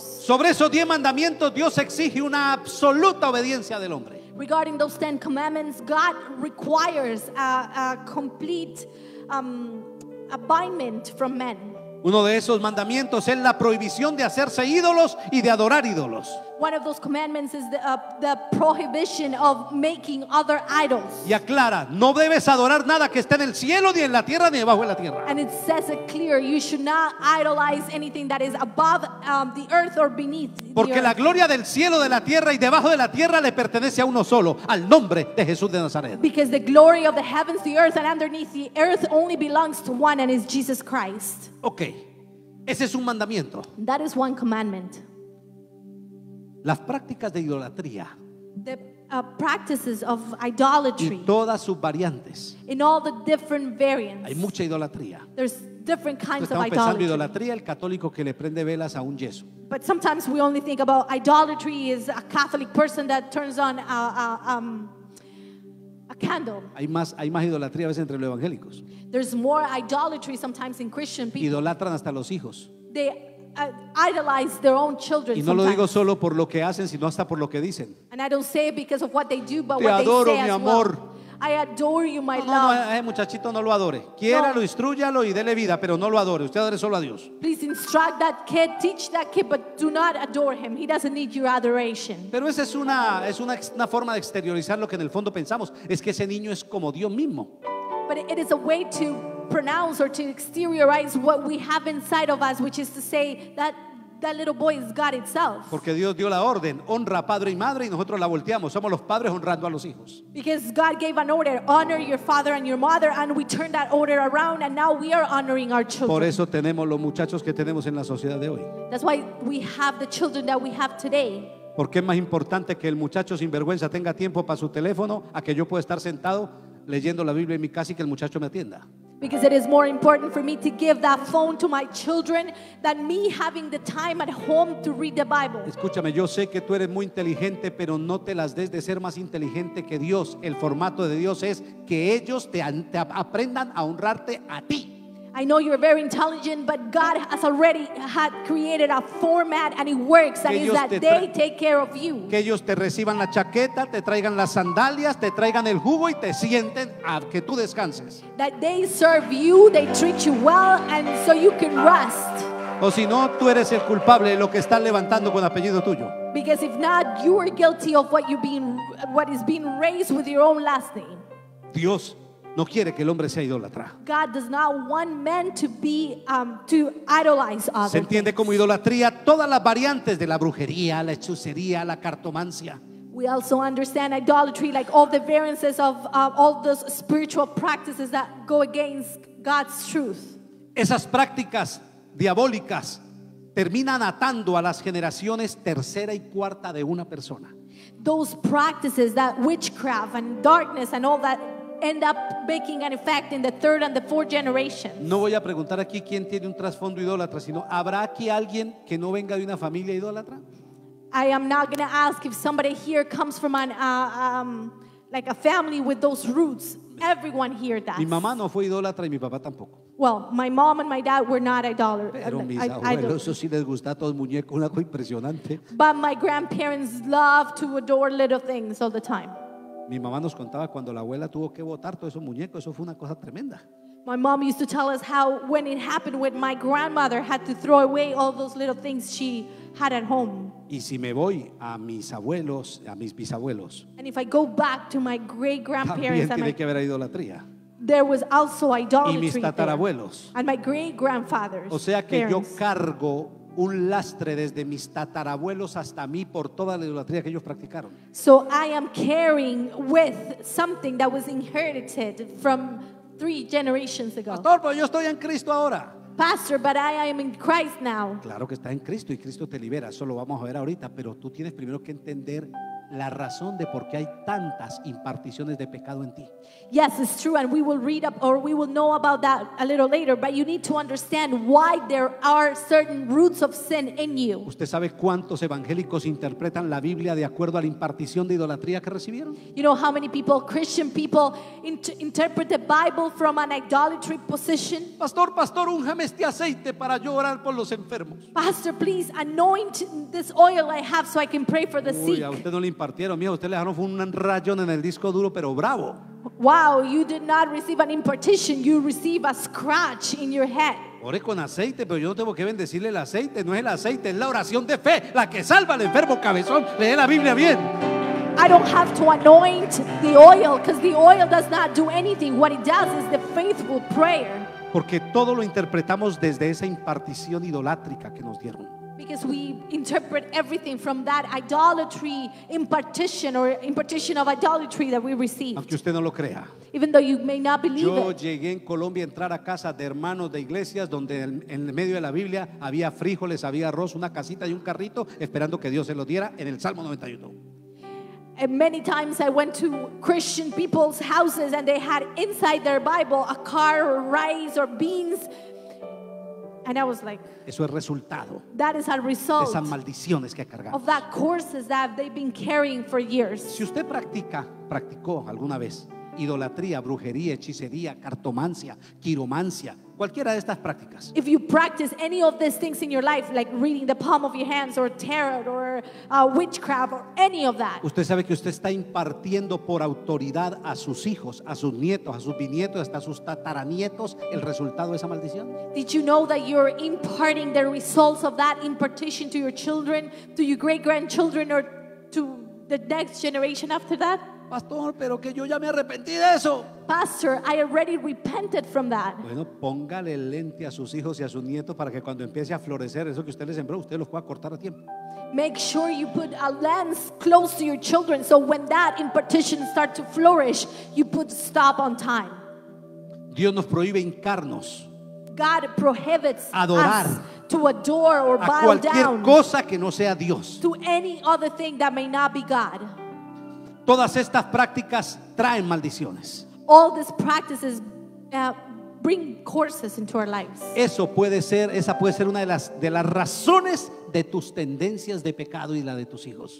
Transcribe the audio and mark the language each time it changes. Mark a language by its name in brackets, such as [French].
[Spanish] Sobre esos 10 mandamientos, Dios exige una absoluta obediencia del hombre. [English] Regarding those 10 commandments, God requires a complete abandonment from men. [Spanish] Uno de esos mandamientos es la prohibición de hacerse ídolos y de adorar ídolos. [English] One of those commandments is the prohibition of making other idols. [Spanish] Y aclara, no debes adorar nada que esté en el cielo, ni en la tierra, ni debajo de la tierra. [English] And it says it clear, you should not idolize anything that is above the earth or beneath the earth. [Spanish] Porque la gloria del cielo, de la tierra y debajo de la tierra le pertenece a uno solo, al nombre de Jesús de Nazaret. [English] Because the glory of the heavens, the earth and underneath the earth only belongs to one, and is Jesus Christ. [Spanish] Okay, ese es un mandamiento. [English] That is one commandment. [Spanish] Las prácticas de idolatría, [English] the practices of idolatry, [Spanish] y todas sus variantes, [English] in all the different variants, [Spanish] hay mucha idolatría. [English] There's different kinds of idolatry. [Spanish] Estamos pensando idolatría, el católico que le prende velas a un yeso. [English] But sometimes we only think about idolatry is a Catholic person that turns on a candle. [Spanish] Hay más idolatría a veces entre los evangélicos. [English] There's more idolatry sometimes in Christian people. [Spanish] Idolatran hasta los hijos. [English] They idolize their own children. [Spanish] Y no lo digo solo por lo que hacen, sino hasta por lo que dicen. [English] And I don't say it because of what they do, but [Spanish] te [English] what [Spanish] adoro, [English] they say [Spanish] mi amor. [English] As well. I adore you, my love. [Spanish] No, ese muchachito no lo adore. Quiéralo, instrúyalo y dele vida, pero no lo adore. Usted adore solo a Dios. [English] Please instruct that kid, teach that kid, but do not adore him. He doesn't need your adoration. [Spanish] Pero esa es una forma de exteriorizar lo que en el fondo pensamos, es que ese niño es como Dios mismo. [English] But it is a way to pronounce or to exteriorize what we have inside of us, which is to say that that little boy is God itself. [Spanish] Porque Dios dio la orden, honra a padre y madre, y nosotros la volteamos, somos los padres honrando a los hijos. [English] Because God gave an order, honor your father and your mother, and we turned that order around, and now we are honoring our children. [Spanish] Por eso tenemos los muchachos que tenemos en la sociedad de hoy. [English] That's why we have the children that we have today. [Spanish] Porque es más importante que el muchacho sin vergüenza tenga tiempo para su teléfono a que yo pueda estar sentado leyendo la Biblia en mi casa y que el muchacho me atienda. [English] Because it is more important for me to give that phone to my children than me having the time at home to read the Bible. [Spanish] Escúchame, yo sé que tú eres muy inteligente, pero no te las des de ser más inteligente que Dios. El formato de Dios es que ellos te aprendan a honrarte a ti. [English] I know you're very intelligent, but God has already had created a format, and it works, that is that they take care of you. [Spanish] Que ellos te reciban la chaqueta, te traigan las sandalias, te traigan el jugo y te sienten a que tú descanses. [English] That they serve you, they treat you well, and so you can rest. [Spanish] O si no, tú eres el culpable de lo que están levantando con apellido tuyo. [English] Because if not, you are guilty of what is being raised with your own last name. [Spanish] Dios no quiere que el hombre sea idólatra. [English] God does not want men to be to idolize others. [Spanish] Se entiende como idolatría todas las variantes de la brujería, la hechicería, la cartomancia. [English] We also understand idolatry like all the variances of all those spiritual practices that go against God's truth. [Spanish] Esas prácticas diabólicas terminan atando a las generaciones tercera y cuarta de una persona. [English] Those practices, that witchcraft and darkness and all that, end up making an effect in the third and the fourth generation. [Spanish] No voy a preguntar aquí quién tiene un trasfondo idólatra, sino ¿habrá aquí alguien que no venga de una familia idólatra? [English] I am not going to ask if somebody here comes from a family with those roots. everyone hear that. [Spanish] Mi mamá no fue idólatra y mi papá tampoco. [English] Well, my mom and my dad were not idolaters. [Spanish] Pero mis abuelos sí les gusta todo el muñeco, una cosa impresionante. [English] But my grandparents love to adore little things all the time. [Spanish] Mi mamá nos contaba cuando la abuela tuvo que botar todos esos muñecos, eso fue una cosa tremenda. [English] My mom used to tell us how when it happened when my grandmother had to throw away all those little things she had at home. [Spanish] Y si me voy a mis abuelos, a mis bisabuelos. [English] And if I go back to my great grandparents. [Spanish] También tiene que haber idolatría. [English] There was also idolatry. [Spanish] Y mis tatarabuelos. [English] And my great grandfather's. [Spanish] O sea que yo cargo un lastre desde mis tatarabuelos hasta mí por toda la idolatría que ellos practicaron. [English] So I am carrying with something that was inherited from 3 generations ago. [Spanish] Pastor, pero yo estoy en Cristo ahora. [English] Pastor, but I am in Christ now. [Spanish] Claro que estás en Cristo y Cristo te libera. Eso lo vamos a ver ahorita, pero tú tienes primero que entender la razón de por qué hay tantas imparticiones de pecado en ti. [English] Yes, it's true, and we will read up or we will know about that a little later, but you need to understand why there are certain roots of sin in you. [Spanish] ¿Usted sabe cuántos evangélicos interpretan la Biblia de acuerdo a la impartición de idolatría que recibieron? [English] You know how many people, Christian people, interpret the Bible from an idolatry position? [Spanish] Pastor, pastor, úngeme este aceite para yo orar por los enfermos. [English] Pastor, please anoint this oil I have so I can pray for the sick. [Spanish] Impartieron, mijo, usted le dejaron un rayón en el disco duro, pero bravo. [English] Wow, you did not receive an impartition, you receive a scratch in your head. [Spanish] Ore con aceite, pero yo no tengo que bendecirle el aceite, no es el aceite, es la oración de fe, la que salva al enfermo cabezón. Lee la Biblia bien. [English] I don't have to anoint the oil because the oil does not do anything. What it does is the faithful prayer. [Spanish] Porque todo lo interpretamos desde esa impartición idolátrica que nos dieron. [English] Because we interpret everything from that idolatry impartition or impartition of idolatry that we received. [Spanish] Aunque usted no lo crea. [English] Even though you may not believe [Spanish] it. Yo llegué en Colombia a entrar a casa de hermanos de iglesias donde en medio de la Biblia había frijoles, había arroz, una casita y un carrito esperando que Dios se lo diera en el Salmo 91. [English] And many times I went to Christian people's houses and they had inside their Bible a car or rice or beans. And I was like, [Spanish] eso es resultado. [English] That is a result [Spanish] de esas maldiciones que cargamos. [English] Of that curses that they've been carrying for years. [Spanish] Si usted practicó alguna vez idolatría, brujería, hechicería, cartomancia, quiromancia, cualquiera de estas prácticas. [English] If you practice any of these things in your life, like reading the palm of your hands or tarot or witchcraft or any of that. [Spanish] Usted sabe que usted está impartiendo por autoridad a sus hijos, a sus nietos, a sus bisnietos, hasta a sus tataranietos el resultado de esa maldición. [English] Did you know that you're imparting the results of that impartition to your children, to your great-grandchildren or to the next generation after that? [Spanish] Pastor, pero que yo ya me arrepentí de eso. [English] Pastor, I already repented from that. [Spanish] Bueno, póngale lente a sus hijos y a sus nietos para que cuando empiece a florecer eso que usted les sembró, usted los pueda cortar a tiempo. [English] Make sure you put a lens close to your children so when that impartition starts to flourish, you put stop on time. [Spanish] Dios nos prohíbe hincarnos. [English] God prohibits [Spanish] adorar [English] us to adore or bow down. [Spanish] A cualquier cosa que no sea Dios. [English] To any other thing that may not be God. [Spanish] Todas estas prácticas traen maldiciones. [English] All these practices bring curses into our lives. [Spanish] Eso puede ser, esa puede ser una de las razones de tus tendencias de pecado y la de tus hijos.